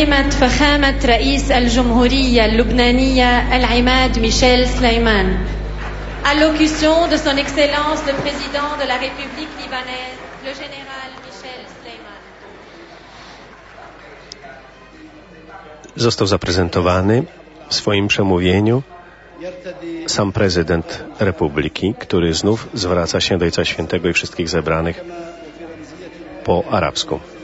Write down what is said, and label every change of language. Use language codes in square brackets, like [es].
[ar] فخامة رئيس الجمهورية اللبنانية العماد ميشيل سليمان. [fr] Allocution de son excellence le président de la République libanaise, le général Michel Sleiman. [pl] Został zaprezentowany w swoim przemówieniu sam prezydent Republiki, który znów zwraca się do Ojca Świętego i wszystkich zebranych po arabsku.